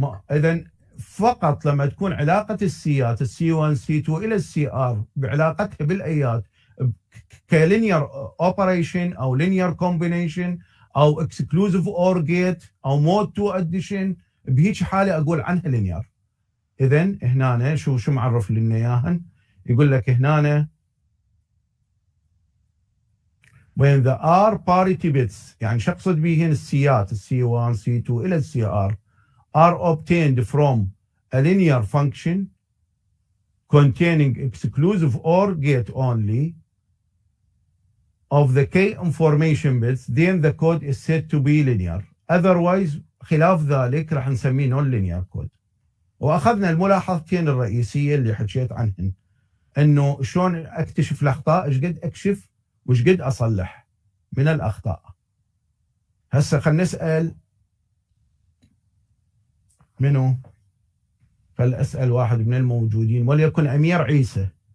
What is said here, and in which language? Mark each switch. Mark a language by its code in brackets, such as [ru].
[ar] اذا فقط لما تكون علاقه السيات السي 1 سي 2 الى السي ار بعلاقتها بالايات كلينير اوبريشن او لينير كومبينيشن او اكسكلوزيف اور جيت او مود 2 اديشن، بهيك حاله اقول عنها لينير. اذا هنا شو معرف لنا اياهن؟ يقول لك هنا [en] when the r parity bits، [ar] يعني شو اقصد بهن السيات السي 1 سي 2 الى السي ار، [en] are obtained from a linear function containing exclusive OR gate only of the k information bits then the code is said to be linear، otherwise [ar] خلاف ذلك راح نسميه نون لينير كود. واخذنا الملاحظتين الرئيسيه اللي حكيت عنهن انه شلون اكتشف الاخطاء، ايش قد اكشف وايش قد اصلح من الاخطاء. هسه خلينا نسال منو؟ فلأسأل واحد من الموجودين وليكن أمير عيسى.